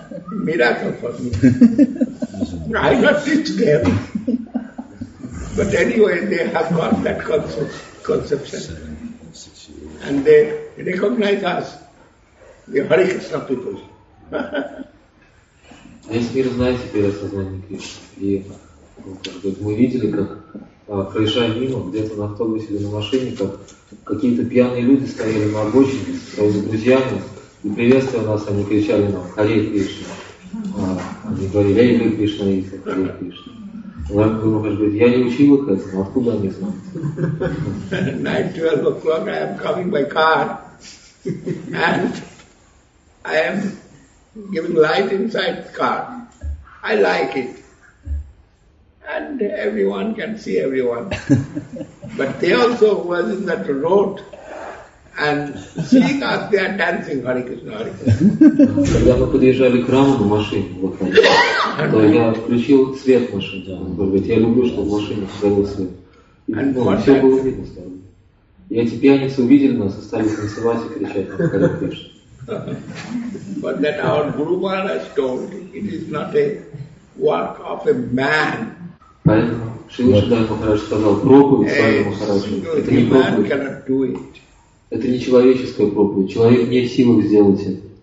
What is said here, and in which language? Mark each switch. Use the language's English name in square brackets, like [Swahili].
[English] Miracle for me. I not teach them. But anyway, they have got that conception. And they recognize us, the Hare Krishna people. [Russian] Весь мир знает теперь о сознании Кришны. И вот, мы видели, как проезжая мимо, где-то на автобусе или на машине, как какие-то пьяные люди стояли на обочине с своими друзьями и приветствовали нас, они кричали нам «Харе Кришна!». Они говорили «Эй, Харе Кришна!» и «Харе Кришна!». Я думаю, что я не учил их этому, откуда они знают? [English] 9-12 o'clock, I am coming by car. And I am giving light inside the car. I like it. And everyone can see everyone. But they also was in that road. And seeing us, they are dancing Hare Krishna, Hare Krishna. [Russian] Когда мы подъезжали к храму на машине, вот так, то я включил свет в машине. Он говорит, я люблю, чтобы в машине всегда свет. Все было видно стало. И эти пьяницы увидели нас и стали танцевать и кричать Hare Krishna. [English] But that our Guru Maharaj told, it is not a work of a man. [Russian] Поэтому Шри Шридхар Махарадж сказал, проповедь с вами, Махараджи, это не проповедь. Это не человеческая проповедь. Человек не в силах сделать это.